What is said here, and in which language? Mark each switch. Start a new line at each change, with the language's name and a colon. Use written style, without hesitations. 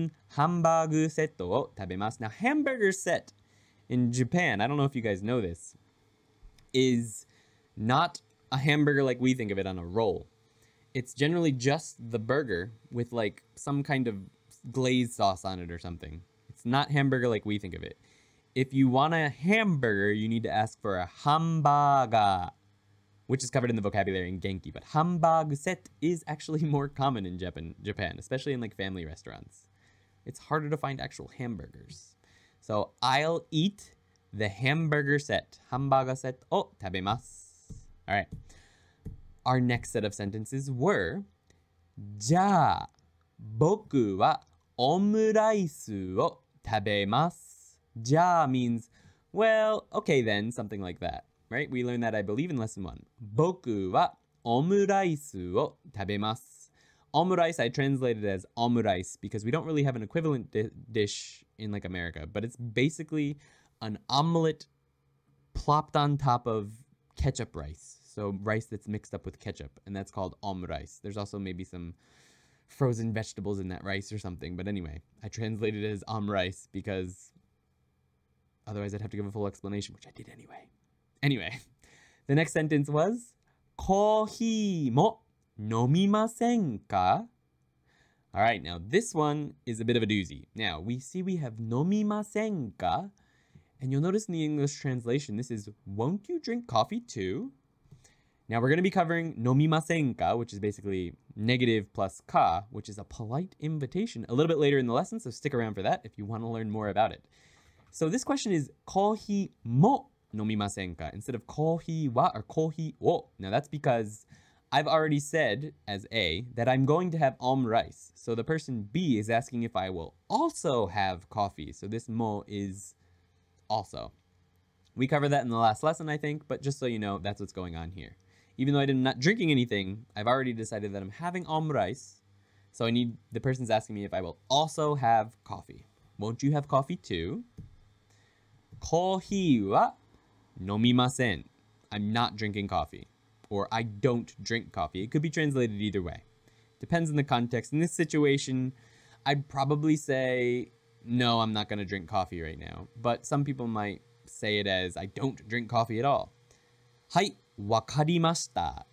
Japanese: ハンバーグセットを食べます.
English: Now, hamburger set in Japan, I don't know if you guys know this, is not a hamburger like we think of it on a roll. It's generally just the burger with like some kind of glazed sauce on it or something. It's not hamburger like we think of it. If you want a hamburger, you need to ask for a hambaga, which is covered in the vocabulary in Genki. But hambag set is actually more common in Japan, especially in like family restaurants. It's harder to find actual hamburgers. So I'll eat the hamburger set. Hambaga set o tabemasu. All right. Our next set of sentences were,
Japanese: じゃあ僕はオムライスを食べます。じゃあ
English: means, well, okay then, something like that, right? We learned that, I believe, in lesson one.
Japanese: 僕はオムライスを食べます。
English: オムライス, I translated as omurice because we don't really have an equivalent dish in like America, but it's basically an omelet plopped on top of ketchup rice. So rice that's mixed up with ketchup, and that's called omurice. There's also maybe some frozen vegetables in that rice or something. But anyway, I translated it as omurice because Otherwise, I'd have to give a full explanation, which I did anyway. Anyway, the next sentence was,
Japanese: コーヒー も飲みませんか?
English: All right, now this one is a bit of a doozy. Now, we see we have 飲みませんか? And you'll notice in the English translation, this is, won't you drink coffee too? Now, we're going to be covering 飲みませんか, which is basically negative plus か, which is a polite invitation, a little bit later in the lesson, so stick around for that if you want to learn more about it. So this question is,
Japanese: コーヒー も飲みませんか?
English: Instead of コーヒー は or コーヒー を. Now, that's because I've already said, as A, that I'm going to have om rice. So the person B is asking if I will also have coffee. So this mo is also. We covered that in the last lesson, I think, but just so you know, that's what's going on here. Even though I'm not drinking anything, I've already decided that I'm having om rice. So I need, the person's asking me if I will also have coffee. Won't you have coffee too?
Japanese: コーヒー は飲みません.
English: I'm not drinking coffee. Or I don't drink coffee. It could be translated either way. Depends on the context. In this situation, I'd probably say, no, I'm not going to drink coffee right now. But some people might say it as, I don't drink coffee at all.
Japanese: はい、わかりました.